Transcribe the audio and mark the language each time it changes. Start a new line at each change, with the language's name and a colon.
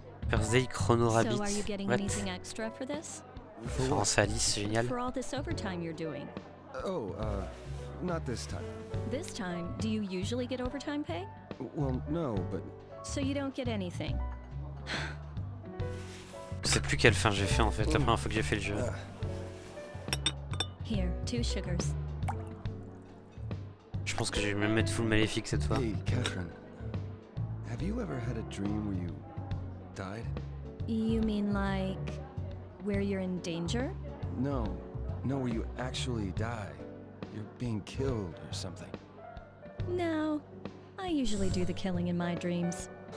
English: Thursday Chrono Rabbit. So are you getting what? Anything extra for this?
French: France Alice, génial.
English: For all this overtime you're doing. Oh, not this time. This time, do you usually get overtime pay? Well, no, but... So you don't get anything.
French: Je sais plus quelle fin j'ai fait en fait, la première fois que j'ai fait le jeu.
English: Here, two sugars.
French: Je pense que je vais même mettre full maléfique cette fois.
English: Hey, Catherine. Have you ever had a dream where you... died? You mean like where you're in danger? No, where you actually die. You're being killed or something. No, I usually do the killing in my dreams.